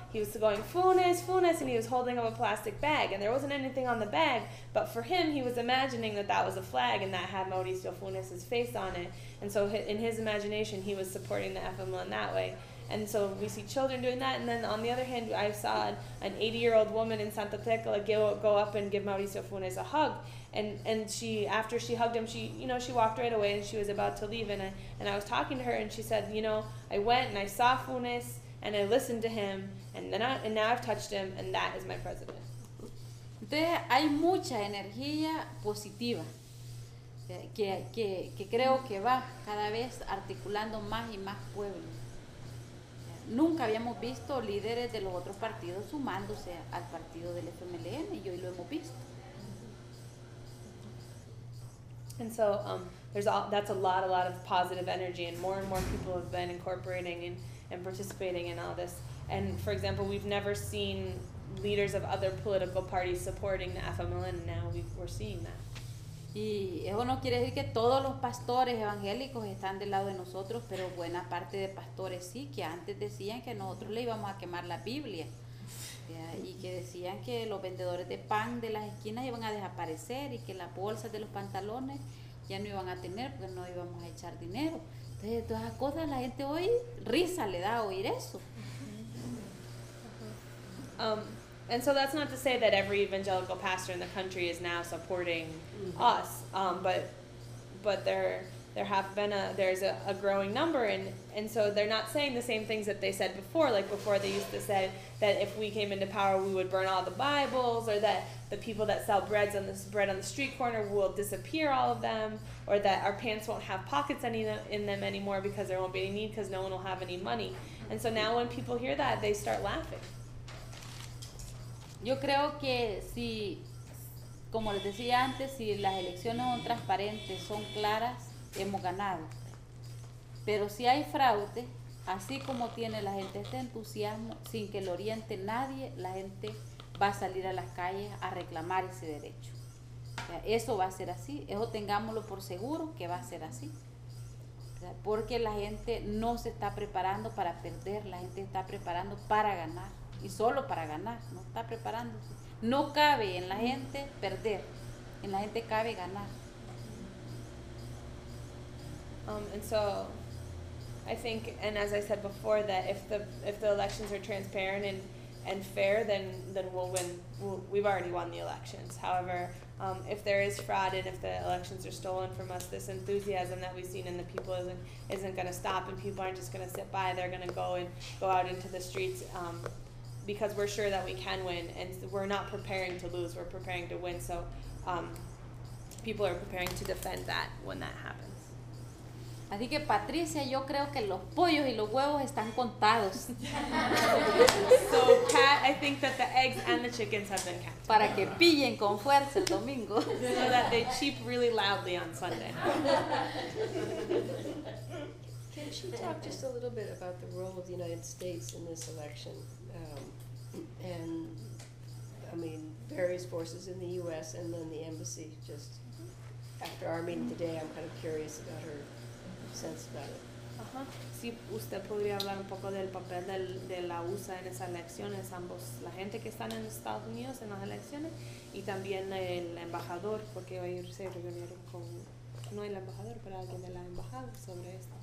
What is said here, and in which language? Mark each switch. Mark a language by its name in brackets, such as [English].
[English] He was going, Funes, Funes, and he was holding up a plastic bag, and there wasn't anything on the bag, but for him, he was imagining that that was a flag, and that had Mauricio Funes' face on it, and so in his imagination, he was supporting the FMLN that way, and so we see children doing that, and then on the other hand, I saw an 80-year-old woman in Santa Tecla go up and give Mauricio Funes a hug, and she, after she hugged him, she walked right away, and she was about to leave, and I was talking to her, and she said, you know, I went, and I saw Funes, and I listened to him, and now I've touched him, and that is my president. [Spanish] Entonces, hay mucha energía positiva que creo que va cada vez articulando más y más pueblos. Nunca habíamos visto líderes de los otros partidos sumándose al partido del FMLN, y hoy lo hemos visto. [English] And so, that's a lot of positive energy, and more people have been incorporating and participating in all this. And for example, we've never seen leaders of other political parties supporting the FMLN, and now we're seeing that. [Spanish] Y eso no quiere decir que todos los pastores evangélicos están del lado de nosotros, pero buena parte de pastores sí, que antes decían que nosotros le íbamos a quemar la Biblia, y que decían que los vendedores de pan de las esquinas iban a desaparecer y que las bolsas de los pantalones ya no iban a tener porque no íbamos a echar dinero. De todas las cosas, la gente hoy risa le da a oír eso. [English] And so that's not to say that every evangelical pastor in the country is now supporting mm-hmm. us, but there have been there's a growing number, and so they're not saying the same things that they said before. Like before, they used to say that if we came into power, we would burn all the Bibles, or that the people that sell bread on the street corner will disappear, all of them, or that our pants won't have pockets in them anymore because there won't be any need because no one will have any money. And so now when people hear that, they start laughing. [Spanish] Yo creo que si, como les decía antes, si las elecciones son transparentes, son claras, hemos ganado. Pero si hay fraude, así como tiene la gente este entusiasmo, sin que lo oriente nadie, la gente va a salir a las calles a reclamar ese derecho. O sea, eso va a ser así, eso tengámoslo por seguro que va a ser así. O sea, porque la gente no se está preparando para perder, la gente está preparando para ganar. Y solo para ganar, no está preparándose. No cabe en la gente perder, en la gente cabe ganar. [English] And so, I think, and as I said before, that if the elections are transparent and fair, then we'll win. We've already won the elections. However, if there is fraud and if the elections are stolen from us, this enthusiasm that we've seen in the people isn't going to stop, and people aren't just going to sit by. They're going to go out into the streets. Because we're sure that we can win, and we're not preparing to lose, we're preparing to win, so people are preparing to defend that when that happens. [Spanish] Así que Patricia, yo creo que los pollos y los huevos están contados. [English] So Pat, I think that the eggs and the chickens have been kept. [Spanish] Para que pillen con fuerza el domingo. [English] So that they cheep really loudly on Sunday. Can she talk just a little bit about the role of the United States in this election? And I mean, various forces in the U.S. and then the embassy. Just after our meeting today, I'm kind of curious about her sense about it. Uh-huh. [Spanish] Sí, usted podría hablar un poco del papel de la USA en esas elecciones, ambos, la gente que están en Estados Unidos en las elecciones, y también el embajador, porque hoy se reunieron con, no el embajador, pero alguien de la embajada sobre esto.